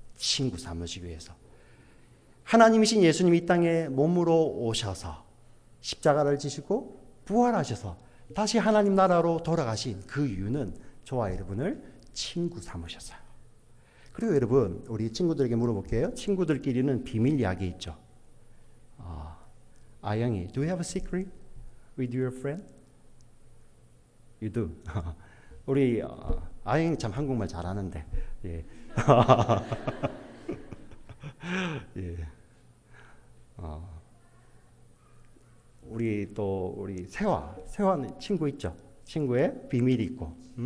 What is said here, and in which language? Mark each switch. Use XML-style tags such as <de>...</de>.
<ko>친구 삼으시기 위해서. 하나님이신 예수님이 이 땅에 몸으로 오셔서 십자가를 지시고 부활하셔서 다시 하나님 나라로 돌아가신 그 이유는 저와 여러분을 친구 삼으셨어요. 그리고 여러분 우리 친구들에게 물어볼게요. 친구들끼리는 비밀 이야기 있죠.</ko> <en>아영이, Do you have a secret with your friend? You do.</en> <ko>우리 아영이 참 한국말 잘하는데. 예. 예. 우리 또 우리 세화, 세화는 친구 있죠? 친구의 비밀이 있고.</ko>